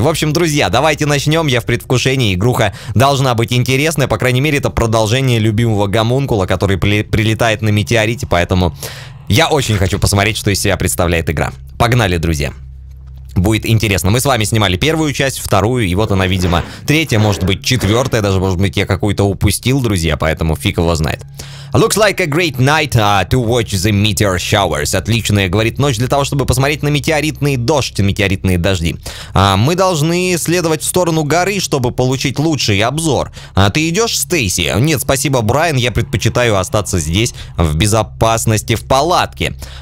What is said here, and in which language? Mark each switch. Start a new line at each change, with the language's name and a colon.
Russian: В общем, друзья, давайте начнем, я в предвкушении, игруха должна быть интересная, по крайней мере, это продолжение любимого Гомункула, который прилетает на метеорите, поэтому я очень хочу посмотреть, что из себя представляет игра. Погнали, друзья. Будет интересно. Мы с вами снимали первую часть, вторую, и вот она, видимо, третья, может быть, четвертая, даже, может быть, я какую-то упустил, друзья, поэтому фиг его знает.
English: Looks like a great night to watch the meteor showers.
Russian: Отличная, говорит, ночь для того, чтобы посмотреть на метеоритный дождь, метеоритные дожди. Мы должны следовать в сторону горы, чтобы получить лучший обзор. Ты идешь, Стейси? Нет, спасибо, Брайан, я предпочитаю остаться здесь в безопасности, в палатке.